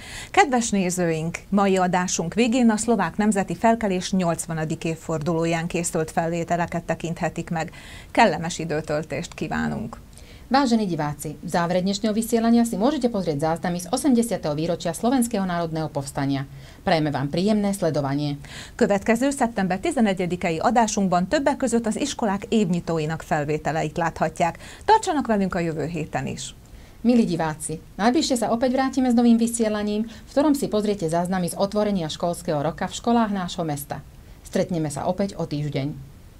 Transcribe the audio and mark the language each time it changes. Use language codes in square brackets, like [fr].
[hu] Kedves nézőink, mai adásunk végén a szlovák nemzeti felkelés 80. évfordulóján készült felvételeket tekinthetik meg. Kellemes időtöltést kívánunk! [sk] Vážení diváci, v závere dnešného vysielania si môžete pozrieť záznamy z 80. výročia Slovenského národného povstania. Prajeme vám príjemné sledovanie. [hu] Következő szeptember 11-i adásunkban többek között az iskolák évnyitóinak felvételeit láthatják. Tartsanak velünk a jövő héten is! [sk] Milí diváci, najbližšie sa opäť vrátime s novým vysielaním, v ktorom si pozriete záznamy z otvorenia školského roka v školách nášho mesta. Stretneme sa opäť o týždeň.